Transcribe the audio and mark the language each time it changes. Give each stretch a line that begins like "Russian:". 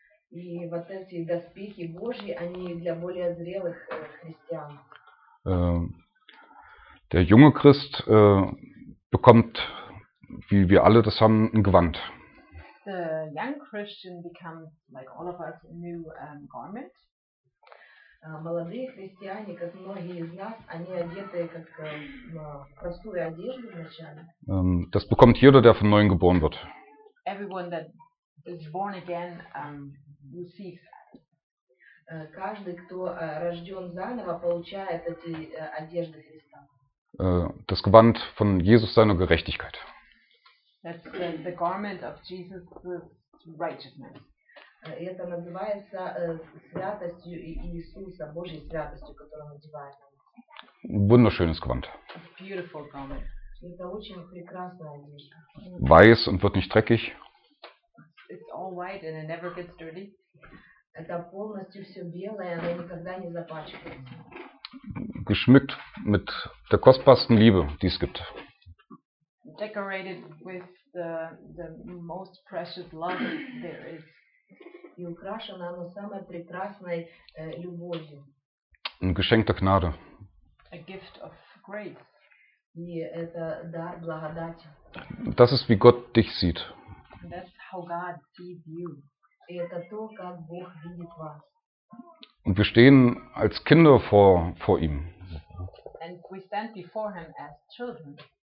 Russian: И вот эти доспехи Божьи, они для более зрелых христиан.
German: Der junge Christ bekommt, wie wir alle das haben, ein Gewand.
English: The young Christian becomes, like all of us, a new garment.
Russian: Молодые христиане, как многие из нас, они одеты как простую одежду вначале.
German: Das bekommt jeder, der von Neuem geboren wird.
English: Everyone that is born again receives that.
Russian: Каждый, кто рожден заново, получает эти одежды Христа.
German: Das Gewand von Jesus, seiner Gerechtigkeit.
English: That's the garment of Jesus, righteousness.
Russian: Это называется святостью Иисуса, Божьей святостью, которую он одевает.
German: Wunderschönes Gewand.
English: Beautiful garment.
Russian: Это очень прекрасная одежда.
German: Weiß und wird nicht dreckig.
English: It's all white and it never gets dirty.
Russian: Это полностью все белое, оно никогда не запачкается.
German: Geschmückt mit der kostbarsten Liebe, die es gibt.
English: Decorated with the most precious love there is.
Russian: И украшено оно самой прекрасной любовью.
German: Ein Geschenk der Gnade.
English: A gift of grace.
Russian: И это дар благодати.
German: Das ist, wie Gott dich sieht.
English: And that's how God sees you.
Russian: И это то, как Бог видит вас.
German: Und wir stehen als Kinder vor ihm.
English: And we stand before him as children.